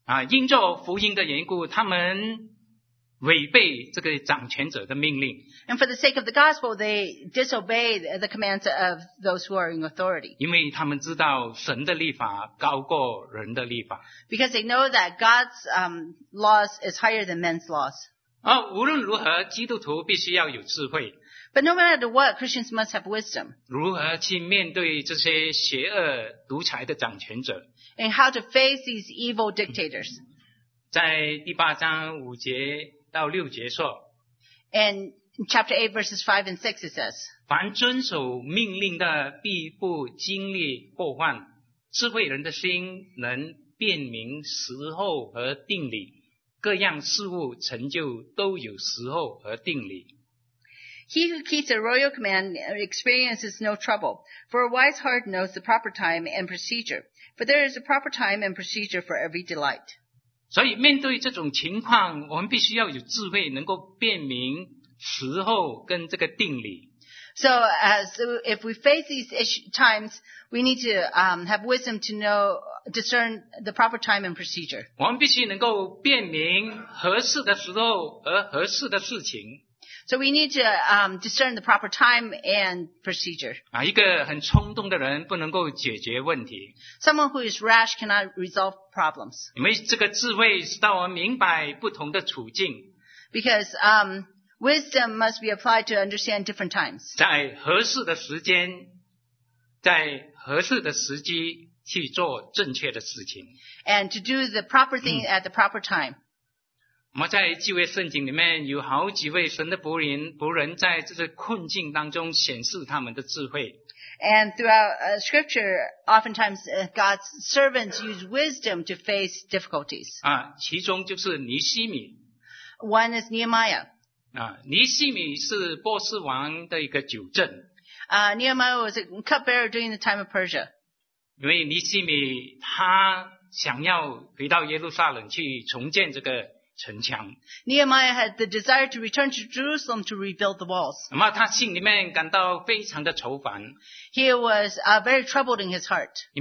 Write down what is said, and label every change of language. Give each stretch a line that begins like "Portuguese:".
Chinese: 因着福音的缘故，他们违背这个掌权者的命令。
English: And for the sake of the gospel, they disobeyed the commands of those who are in authority.
Chinese: 因为他们知道神的律法高过人的律法。
English: Because they know that God's laws is higher than men's laws.
Chinese: 无论如何，基督徒必须要有智慧。
English: But no matter what, Christians must have wisdom.
Chinese: 如何去面对这些邪恶独裁的掌权者。
English: And how to face these evil dictators.
Chinese: 在第八章五节到六节说
English: ，And chapter 8 verses 5 and 6 it says，
Chinese: 凡遵守命令的必不经历祸患，智慧人的心能辨明时候和定理，各样事物成就都有时候和定理。
English: He who keeps a royal command experiences no trouble, for a wise heart knows the proper time and procedure. For there is a proper time and procedure for every delight.
Chinese: 所以面对这种情况，我们必须要有智慧，能够辨明时候跟这个定理。
English: So as if we face these times, we need to have wisdom to know discern the proper time and procedure.
Chinese: 我们必须能够辨明合适的时候和合适的事情。
English: So we need to discern the proper time and procedure.
Chinese: 一个很冲动的人不能够解决问题。
English: Someone who is rash cannot resolve problems.
Chinese: 因为这个智慧使到我们明白不同的处境。
English: Because wisdom must be applied to understand different times.
Chinese: 在合适的时间，在合适的时机去做正确的事情。
English: And to do the proper thing at the proper time.
Chinese: 我们在旧约圣经里面有好几位神的仆人在这个困境当中显示他们的智慧。
English: And throughout scripture, oftentimes God's servants use wisdom to face difficulties.
Chinese: 啊, 其中就是尼西米。
English: One is Nehemiah.
Chinese: 啊, 尼西米是波斯王的一个酒镇。
English: Nehemiah was a cupbearer during the time of Persia.
Chinese: 因为尼西米他想要回到耶路撒冷去重建这个城墙。
English: Nehemiah had the desire to return to Jerusalem to rebuild the walls.
Chinese: 那么他心里面感到非常的愁烦。
English: He was very troubled in his heart.